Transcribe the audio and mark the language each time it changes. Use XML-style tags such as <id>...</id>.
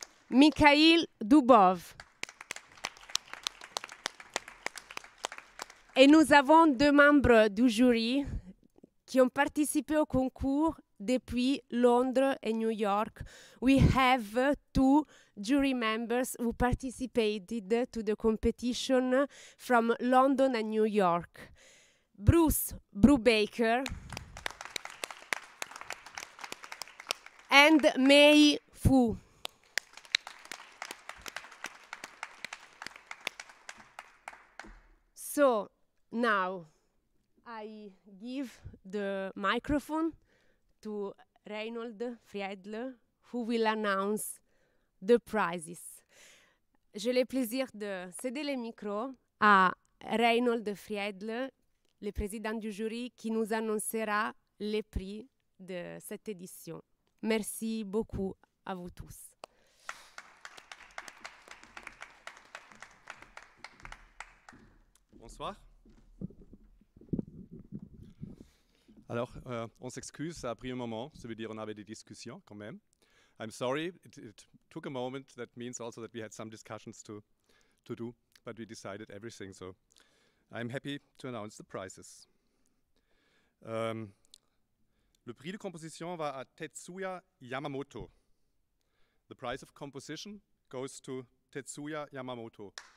<fr>Mikhail Dubov. Et nous avons deux membres du jury qui ont participé au concours depuis Londres et New York.</fr> <en>We have two jury members who participated to the competition from London and New York. Bruce Brubaker and Mei Fu. So, now I give the microphone to Reinhold Friedl, who will announce the prizes.</en> <fr>J'ai le plaisir de céder le micro à Reinhold Friedl, le président du jury, qui nous annoncera les prix de cette édition. Merci beaucoup à vous tous. Bonsoir. Alors, on s'excuse, ça a pris un moment, ça veut dire qu'on avait des discussions quand même.</fr> <en>I'm sorry, it took a moment, that means also that we had some discussions to do, but we decided everything, so I'm happy to announce the prizes.</en> <fr>Le prix de composition va à Tetsuya Yamamoto.</fr> <en>The prize of composition goes to Tetsuya Yamamoto.</en>